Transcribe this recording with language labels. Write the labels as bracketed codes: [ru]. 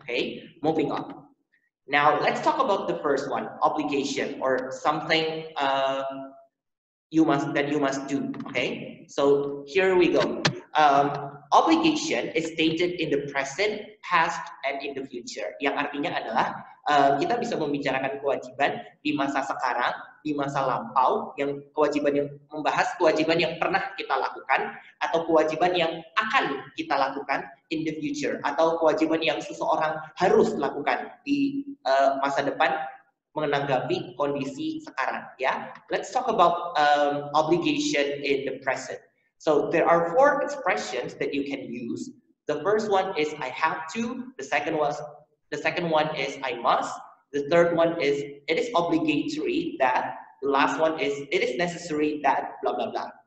[en] Okay, moving on. Now let's talk about the first one, obligation or something you must do. Okay, so here we go. Obligation is stated in the present, past, and in the future. [id] Yang artinya adalah kita bisa membicarakan kewajiban di masa sekarang, di masa lampau, yang kewajiban yang membahas kewajiban yang pernah kita lakukan atau kewajiban yang akan kita lakukan [en] in the future [id] atau kewajiban yang seseorang harus lakukan di masa depan menanggapi kondisi sekarang, ya. [en] Let's talk about obligation in the present. So there are four expressions that you can use. The first one is I have to, the second one is I must. The third one is, it is obligatory that. The last one is, it is necessary that, blah, blah, blah.